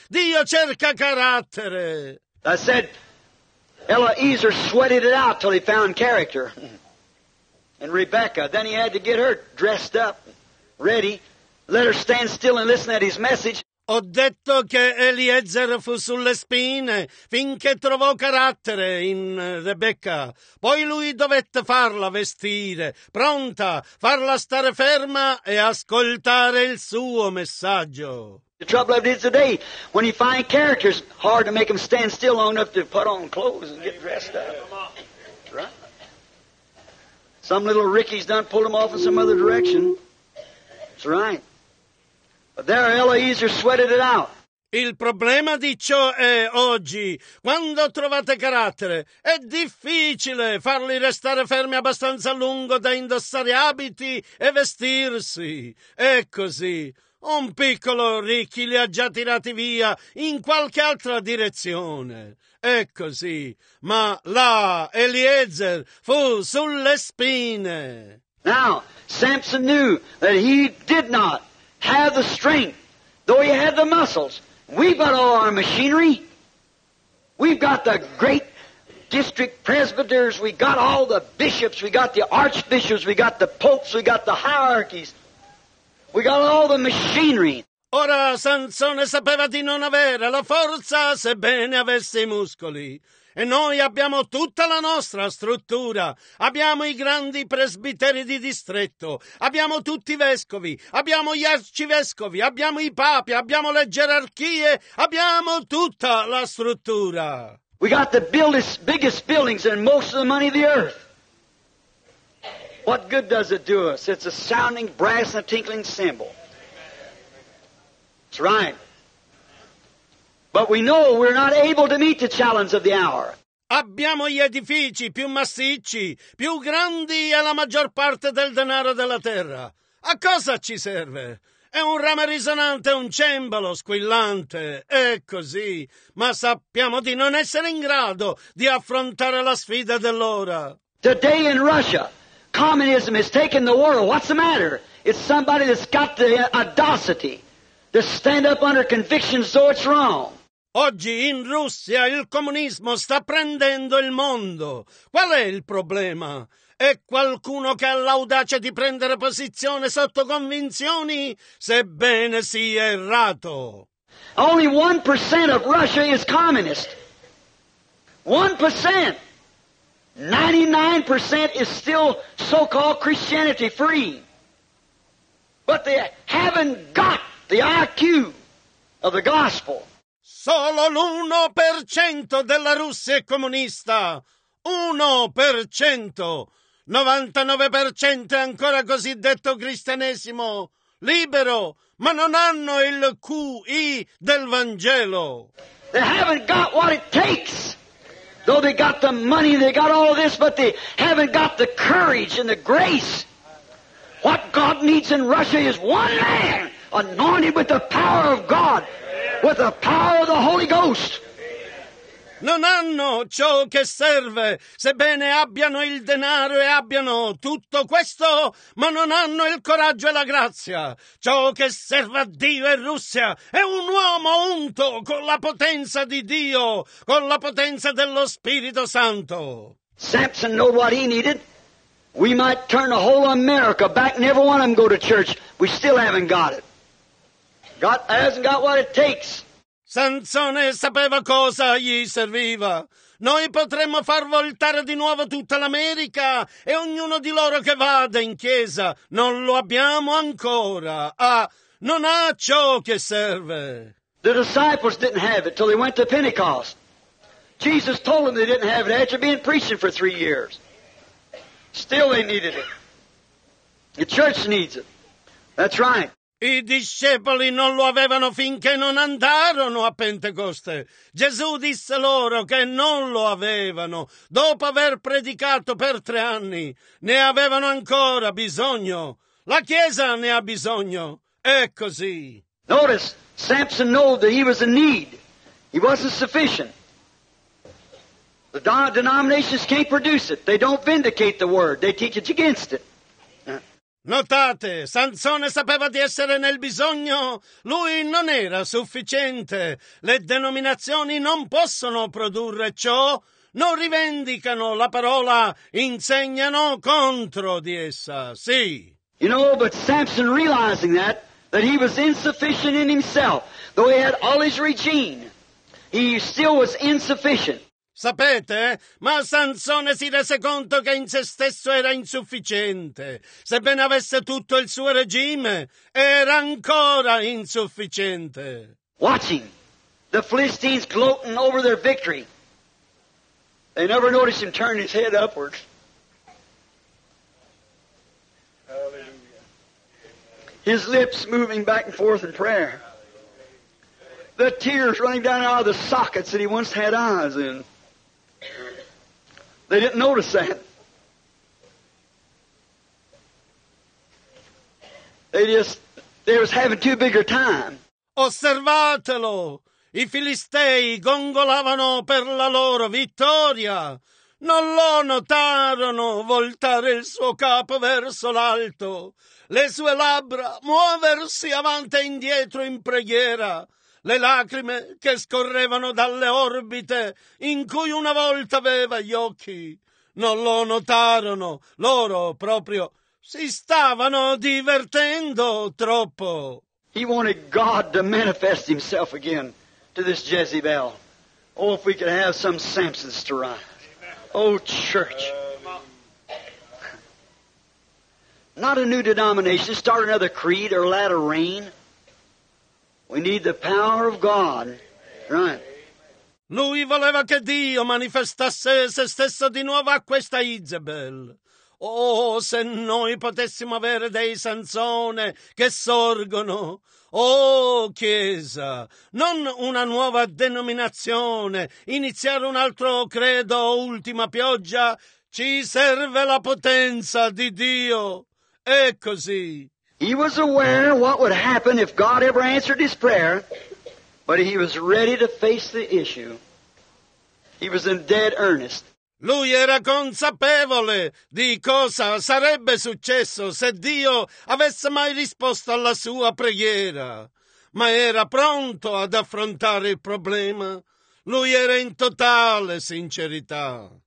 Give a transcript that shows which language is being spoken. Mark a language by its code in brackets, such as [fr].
[it] Dio cerca carattere. [en] I said, Eliezer sweated it out till he found character. And Rebecca, then he had to get her dressed up, ready, let her stand still and listen at his message. [it] Ho detto che Eliezer fu sulle spine finché trovò carattere in Rebecca. Poi lui dovette farla vestire, pronta, farla stare ferma e ascoltare il suo messaggio. [en] The trouble of it is today, when you find characters, hard to make them stand still long enough to put on clothes and get dressed up. Some little Ricky's done pulled him off in some other direction. That's right. But there Eliezer sweated it out. [it] Il problema di ciò è oggi, quando trovate carattere, è difficile farli restare fermi abbastanza a lungo da indossare abiti e vestirsi. È così. Un piccolo Ricky li ha già tirati via in qualche altra direzione. È così, ma là Eliezer fu sulle spine. [en] Now, Samson knew that he did not have the strength, though he had the muscles. We've got all our machinery. We've got the great district presbyters. We got all the bishops. We got the archbishops. We got the popes. We got the hierarchies. We got all the machinery. [it] Ora Sansone sapeva di non avere la forza sebbene avesse i muscoli. E noi abbiamo tutta la nostra struttura. Abbiamo i grandi presbiteri di distretto. Abbiamo tutti i vescovi. Abbiamo gli arcivescovi. Abbiamo i papi. Abbiamo le gerarchie. Abbiamo tutta la struttura. [en] We got the biggest buildings and most of the money of the earth. What good does it do us? It's a sounding brass and a tinkling cymbal. That's right. But we know we're not able to meet the challenge of the hour. [it] Abbiamo gli edifici più massicci, più grandi e la maggior parte del denaro della terra. A cosa ci serve? È un rame risonante, un cembalo squillante. È così. Ma sappiamo di non essere in grado di affrontare la sfida dell'ora. [en] Today in Russia, communism has taken the world. What's the matter? It's somebody that's got the audacity. to stand up under convictions though it's wrong. [it] Oggi in Russia il comunismo sta prendendo il mondo. Qual è il problema? È qualcuno che ha l'audacia di prendere posizione sotto convinzioni, sebbene sia errato. [en] Only 1% of Russia is communist. 1%. 99% is still so-called Christianity free. But they haven't got the IQ of the gospel. [it] Solo l'1% della Russia è comunista. 1%. 99% è ancora cosiddetto cristianesimo libero, ma non hanno il QI del Vangelo. [en] They haven't got what it takes. Though they got the money, they got all this, but they haven't got the courage and the grace. What God needs in Russia is one man anointed with the power of God, with the power of the Holy Ghost. [it] Non hanno ciò che serve, sebbene abbiano il denaro e abbiano tutto questo, ma non hanno il coraggio e la grazia. Ciò che serve a Dio e Russia è un uomo unto con la potenza di Dio, con la potenza dello Spirito Santo. [en] Samson knew what he needed. We might turn the whole America back, never one of them go to church. We still haven't got it. God hasn't got what it takes. [it] Sansone sapeva cosa gli serviva. Noi potremmo far voltare di nuovo tutta l'America e ognuno di loro che vada in chiesa. Non lo abbiamo ancora. Ah, non ha ciò che serve. [en] The disciples didn't have it till they went to Pentecost. Jesus told them they didn't have it after being preaching for 3 years. Still they needed it. The church needs it. That's right. [it] I discepoli non lo avevano finché non andarono a Pentecoste. Gesù disse loro che non lo avevano. Dopo aver predicato per 3 anni, ne avevano ancora bisogno. La Chiesa ne ha bisogno. È così. [en] Notice, Samson knew that he was in need. He wasn't sufficient. The denominations can't produce it. They don't vindicate the word. They teach it against it. [it] Notate, Sansone sapeva di essere nel bisogno, lui non era sufficiente, le denominazioni non possono produrre ciò, non rivendicano la parola, insegnano contro di essa, sì. [en] You know, but Samson realizing that he was insufficient in himself, though he had all his regime, he still was insufficient. [it] Sapete? Ma Sansone si rese conto che in se stesso era insufficiente. Sebbene avesse tutto il suo regime, era ancora insufficiente. [en] Watching the Philistines gloating over their victory. They never noticed him turn his head upwards. His lips moving back and forth in prayer. The tears running down out of the sockets that he once had eyes in. They didn't notice that. They was having too big a time. [it] Osservatelo! I Filistei gongolavano per la loro vittoria. Non lo notarono voltare il suo capo verso l'alto, le sue labbra muoversi avanti e indietro in preghiera. Le lacrime che scorrevano dalle orbite in cui una volta aveva gli occhi. Non lo notarono. Loro proprio si stavano divertendo troppo. [en] He wanted God to manifest himself again to this Jezebel. Oh, if we could have some Samsons to rise. Oh, church. Not a new denomination. Start another creed or let it rain. We need the power of God. Right. [it] Lui voleva che Dio manifestasse se stesso di nuovo a questa Jezebel. Oh, se noi potessimo avere dei Sansone che sorgono. Oh, Chiesa, non una nuova denominazione, iniziare un altro credo o ultima pioggia. Ci serve la potenza di Dio. È così. [en] He was aware what would happen if God ever answered his prayer, but he was ready to face the issue. He was in dead earnest. [it] Lui era consapevole di cosa sarebbe successo se Dio avesse mai risposto alla sua preghiera, ma era pronto ad affrontare il problema. Lui era in totale sincerità.